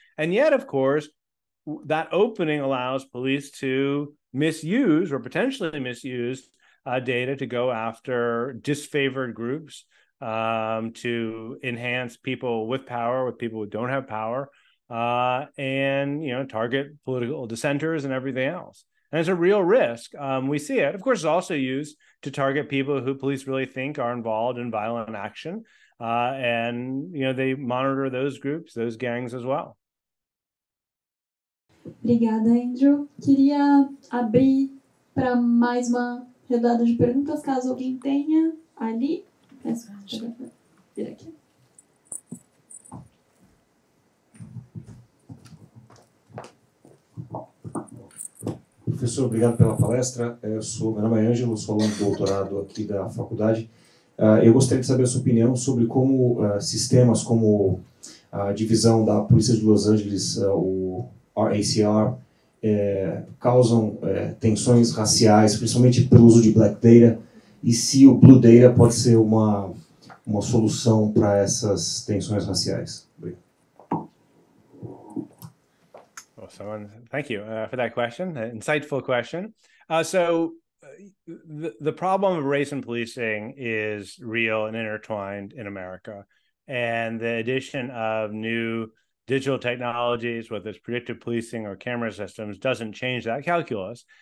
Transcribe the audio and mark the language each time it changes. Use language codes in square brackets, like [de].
[en] And yet, of course, that opening allows police to misuse or potentially misuse data to go after disfavored groups, to enhance people with power, with people who don't have power, and you know, target political dissenters and everything else. And it's a real risk. We see it. Of course, it's also used to target people who police really think are involved in violent action. And, you know, they monitor those groups, those gangs as well. [pt] Obrigada, Andrew. Queria abrir para mais uma rodada de perguntas, caso alguém tenha ali. Peço para vir aqui. Professor, obrigado pela palestra. Meu nome é Ângelo, sou aluno de doutorado aqui da faculdade. Eu gostaria de saber a sua opinião sobre como sistemas como a divisão da Polícia de Los Angeles, o RACR, causam tensões raciais, principalmente pelo uso de black data, e se o blue data pode ser uma solução para essas tensões raciais. [en] Someone, thank you for that question, an insightful question. So the problem of race and policing is real and intertwined in America. And the addition of new digital technologies, whether it's predictive policing or camera systems, doesn't change that calculus.